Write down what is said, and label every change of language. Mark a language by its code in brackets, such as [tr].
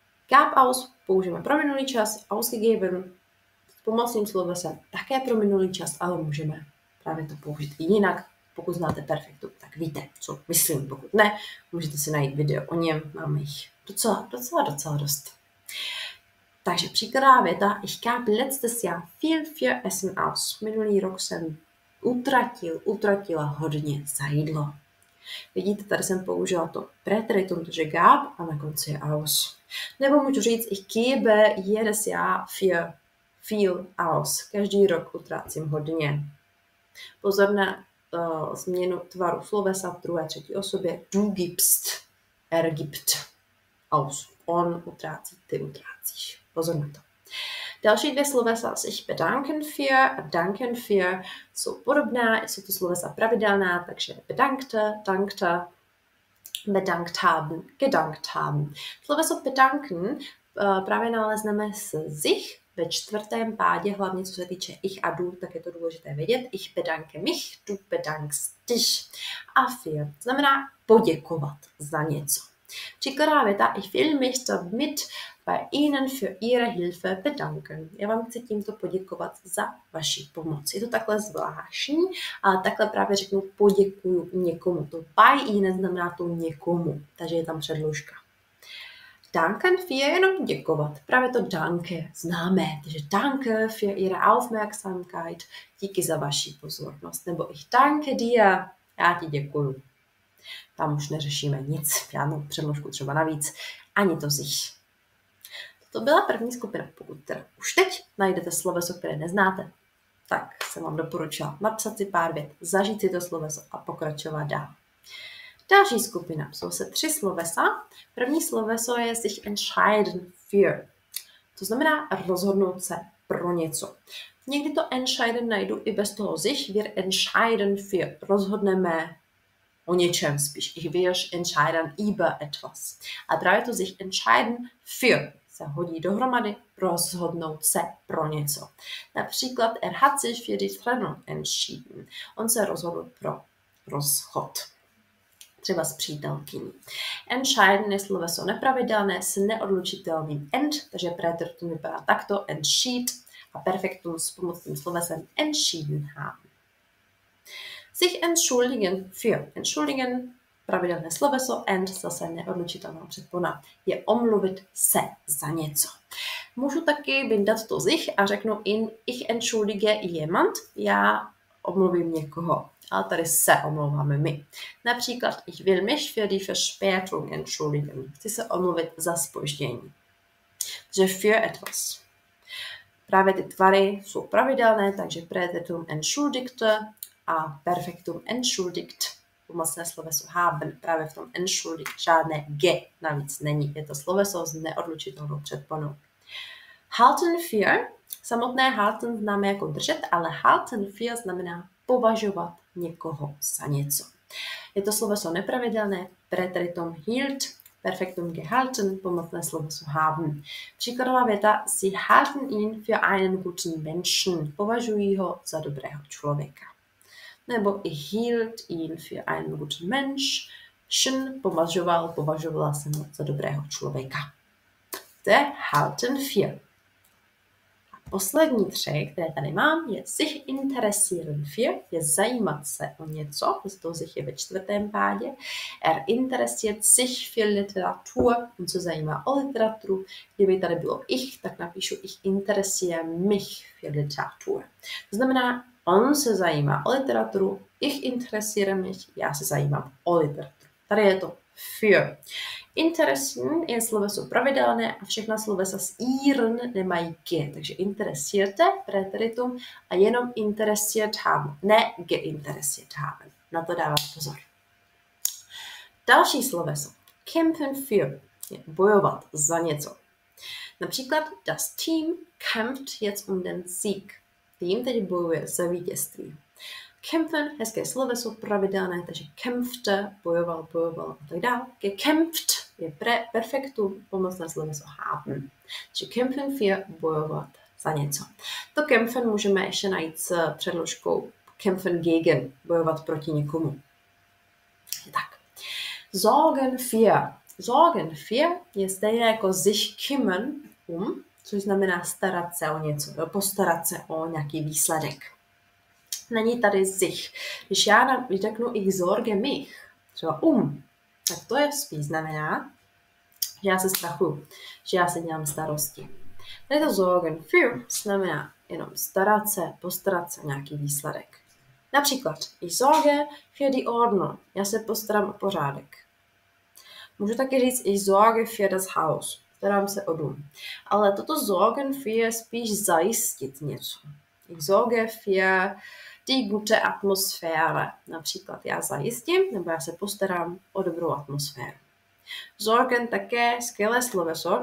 [cs] Gab aus použijeme pro minulý čas, ausgegeben s pomocným slovesem také pro minulý čas, ale můžeme právě to použít i jinak. Pokud znáte perfektum, tak víte, co myslím. Pokud ne, můžete si najít video o něm, máme jich docela dost. Takže příkladná věta, [de] ich gab letztes Jahr viel für Essen aus. [cs] Minulý rok jsem utratila hodně za jídlo. Vidíte, tady jsem použila to preteritum, protože gab a na konci je aus. Nebo můžu říct, [de] ich gebe jedes Jahr viel aus. [cs] Každý rok utrácím hodně. Pozor na změnu tvaru slovesa v druhé, třetí osobě. [de] Du gibst, er gibt aus. [cs] On utrácí, ty utrácíš. Pozor na to. Další dvě slovesa, sich bedanken für a danken für, jsou podobná, jsou to slovesa pravidelná, takže bedankte, dankte, bedankt haben, gedankt haben. Sloveso bedanken právě nalezneme z sich ve čtvrtém pádě, hlavně co se týče ich a du, tak je to důležité vědět. [de] Ich bedanke mich, du bedankst dich. [cs] A für znamená poděkovat za něco. Příkladná věta, [de] ich will mich damit bei Ihnen für Ihre Hilfe bedanken. [cs] Já vám chci tímto poděkovat za vaši pomoc. Je to takhle zvláštní, ale takhle právě řeknu poděkuju někomu. To bei Ihnen znamená to někomu, takže je tam předložka. Danken für jenom děkovat. Právě to danke známe. Takže [de] danke für Ihre Aufmerksamkeit. [cs] Díky za vaši pozornost. Nebo [de] ich danke dir. [cs] Já ti děkuju. Tam už neřešíme nic, žádnou předložku třeba navíc, ani to zich. To byla první skupina. Pokud teda už teď najdete sloveso, které neznáte, tak jsem vám doporučila napsat si pár vět, zažít si to sloveso a pokračovat dál. Další skupina, jsou se tři slovesa. První sloveso je sich entscheiden für, to znamená rozhodnout se pro něco. Někdy to entscheiden najdu i bez toho sich, [de] wir entscheiden für, [cs] rozhodneme o něčem spíš. [de] Ich will entscheiden über etwas. [cs] A právě to sich entscheiden für se hodí dohromady, rozhodnout se pro něco. Například [de] er hat sich für die Trennung entschieden. [cs] On se rozhodl pro rozchod. Třeba s přítelkyní. Entscheiden je sloveso nepravidelné s neodlučitelným ent, takže preteritum vypadá takto, entschied, a perfektum s pomocným slovesem entschieden haben. Sich entschuldigen für. Entschuldigen, pravidelné sloveso, and zase neodlučitelná předpona, je omluvit se za něco. Můžu taky vyndat to sich a řeknu in [de] ich entschuldige jemand, [cs] já omluvím někoho, ale tady se omlouváme my. Například [de] ich will mich für die Verspätung entschuldigen. [cs] Chci se omluvit za zpoždění. Takže für etwas. Právě ty tvary jsou pravidelné, takže präteritum entschuldigte a perfektum entschuldigt, pomocné sloveso haben, právě v tom entschuldigt, žádné g navíc není. Je to sloveso s neodlučitelnou předponou. Halten für, samotné halten známe jako držet, ale halten für znamená považovat někoho za něco. Je to sloveso nepravidelné, preteritum hielt, perfektum gehalten, pomocné sloveso haben. Příkladová věta, [de] sie halten ihn für einen guten Menschen, [cs] považují ho za dobrého člověka. [de] nebo hielt ihn für einen guten Mensch. [cs] Schön považoval, považovala jsem ho za dobrého člověka. To je halten für. A poslední tři, které tady mám, je sich interessieren für, je zajímat se o něco, z toho sich je ve čtvrtém pádě. [de] Interessiert sich für Literatur, [cs] on se zajímá o literaturu. Kdyby tady bylo ich, tak napíšu [de] ich interessiere mich für Literatur. [cs] To znamená, on se zajímá o literaturu, [de] ich interessiere mich, [cs] já se zajímám o literaturu. Tady je to für. Interessen je sloveso pravidelné a všechna slovesa s ihren nemají g. Takže interessierte, preteritum, a jenom interessiert haben, ne geinteressiert haben. Na to dávat pozor. Další sloveso. Kämpfen für je bojovat za něco. Například [de] das Team kämpft jetzt um den Sieg. [cs] Tým teď bojuje za vítězství. Kämpfen, hezké sloveso, pravidelné, takže kämpfte, bojoval, bojoval a tak dál. Gekämpft je perfektu, pomocné sloveso haben. Takže kämpfen für bojovat za něco. To kämpfen můžeme ještě najít s předložkou kämpfen gegen, bojovat proti někomu. Tak. Sorgen für. Sorgen für je stejné jako sich kümmern což znamená starat se o něco, postarat se o nějaký výsledek. Není tady sich. Když já řeknu [de] ich sorge mich, [cs] třeba tak to je spíš znamená, že já se strachuju, že já se dělám starosti. Tady to sorgen für znamená jenom starat se, postarat se nějaký výsledek. Například, [de] ich sorge für die Ordnung, [cs] já se postaram o pořádek. Můžu taky říct [de] ich sorge für das Haus, [cs] starám se o dům. Ale toto sorgen für spíš zajistit něco. [de] Ich sorge für die gute Atmosphäre. [cs] Například já zajistím, nebo já se postarám o dobrou atmosféru. Sorgen také skvělé sloveso.